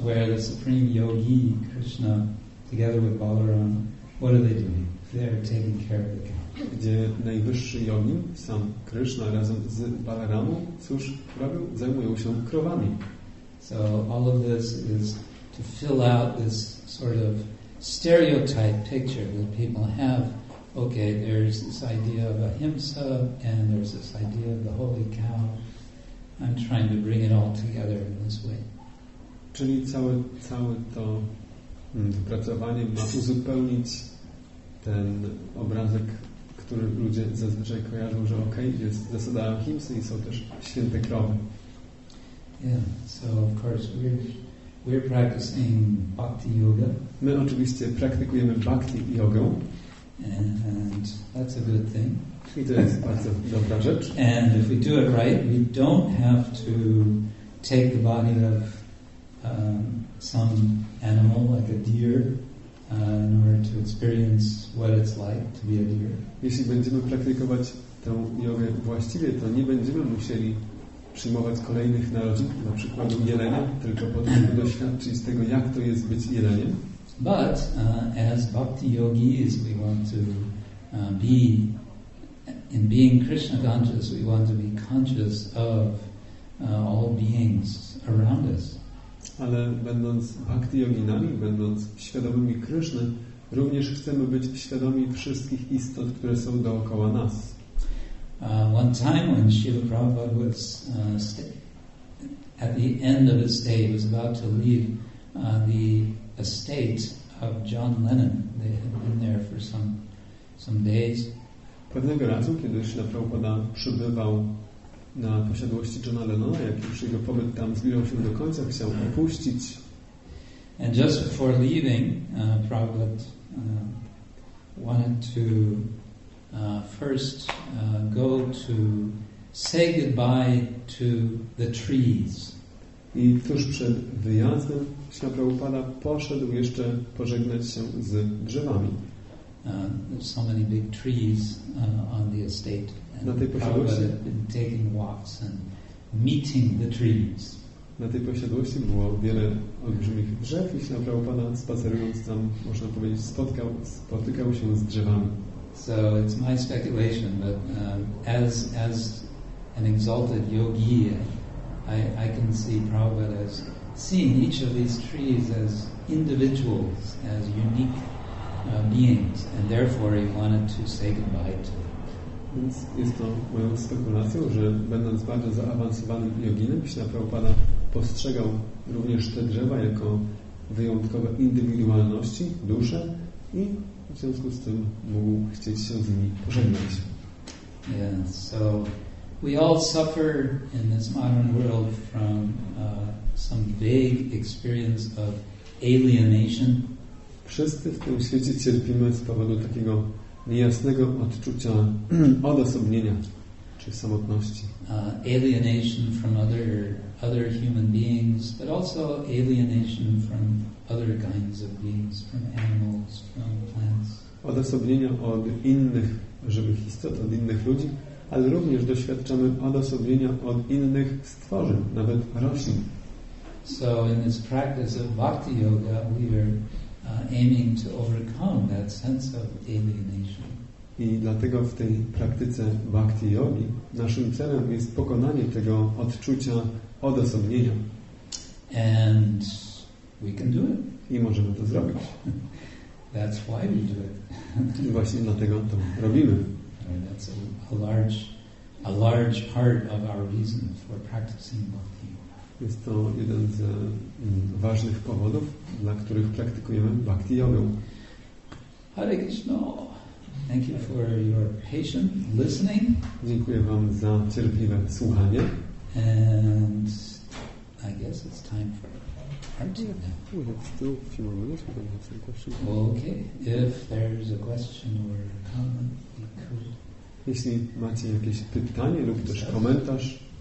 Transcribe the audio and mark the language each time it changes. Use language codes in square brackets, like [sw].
[en] where the supreme yogi Krishna, together with Balaram, what are they doing? They are taking care of the cow. [pl] Gdzie najwyższy jogin, sam Krishna razem z Balaramą, cóż robią? Zajmują się krowami. [en] So all of this is to fill out this sort of stereotype picture that people have. Okay, there's this idea of ahimsa and there's this idea of the holy cow. I'm trying to bring it all together in this way. [pl] Czyli całe to wypracowanie ma uzupełnić ten obrazek, który ludzie zazwyczaj kojarzą, że okej, okay, jest zasada ahimsy i są też święte krowy. [en] Yeah, so of course we're practicing bhakti yoga. [pl] My oczywiście praktykujemy bhakti jogę. [en] And that's a good thing. [pl] I to jest bardzo dobra rzecz. [en] And if we do it right, we don't have to take the body of some animal like a deer. In order to experience what it's like to be a deer. [pl] Jeśli będziemy praktykować tę jogę właściwie, to nie będziemy musieli przyjmować kolejnych narodzin, na przykład jelenia, tylko po to, żeby doświadczyć tego, jak to jest być jeleniem. [en] But as bhakti yogis, we want to be in being Krishna conscious. We want to be conscious of all beings around us. [pl] Ale będąc bhakti yoginami, będąc świadomymi Kryszny, również chcemy być świadomi wszystkich istot, które są dookoła nas. [en] One time when Śrīla Prabhupāda was at the end of his stay, he was about to leave the estate of John Lennon. They had been there for some days. [pl] Pewnego razu, kiedy Śrīla Prabhupāda przybywał na posiadłości Johna Lennona, jak już jego pobyt tam zbliżał się do końca, chciał opuścić. [en] And just before leaving, Prabhupada wanted to first go to say goodbye to the trees. [pl] I tuż przed wyjazdem Śrīla Prabhupāda poszedł jeszcze pożegnać się z drzewami. [en] There's so many big trees on the estate, and [pl] na tej posiadłości [en] had been taking walks and meeting the trees. [pl] Na tej posiadłości było wiele olbrzymich drzew i się na Prabhupada spacerując tam, można powiedzieć, spotykał się z drzewami. [en] So it's my speculation, but as an exalted yogi, I can see Prabhupada as seeing each of these trees as individuals, as unique beings, and therefore he wanted to say goodbye to them. [pl] Więc jest to moją spekulacją, że będąc bardzo zaawansowanym joginem, Krishna Prabhupada postrzegał również te drzewa jako wyjątkowe indywidualności, dusze, i w związku z tym mógł chcieć się z nimi pożegnać. [en] Yeah, so we all suffer in this modern world from some vague experience of alienation. [pl] Wszyscy w tym świecie cierpimy z powodu takiego niejasnego odczucia odosobnienia czy samotności. [en] Alienation from other human beings, but also alienation from other kinds of beings, from animals, from plants. [pl] Odosobnienia od innych żywych istot, od innych ludzi, ale również doświadczamy odosobnienia od innych stworzeń, nawet roślin. [en] So in this practice of bhakti yoga we are aiming to overcome that sense of alienation. [pl] I dlatego w tej praktyce bhakti yogi naszym celem jest pokonanie tego odczucia odosobnienia. [en] And we can do it. [pl] I możemy to zrobić. [en] That's why we do it. [pl] I właśnie dlatego to robimy. [en] And that's a large part of our reason for practicing bhakti. [pl] Jest to jeden z ważnych powodów, dla których praktykujemy bhakti yogę. [en] Hare Krishna, thank you for your patient listening. [pl] Dziękuję Wam za cierpliwe słuchanie. [en] And I guess it's time for we have still a few more minutes. We can have some questions. Okay, if there's a question or a comment, we could. [pl] Jeśli macie jakieś pytanie lub też komentarz.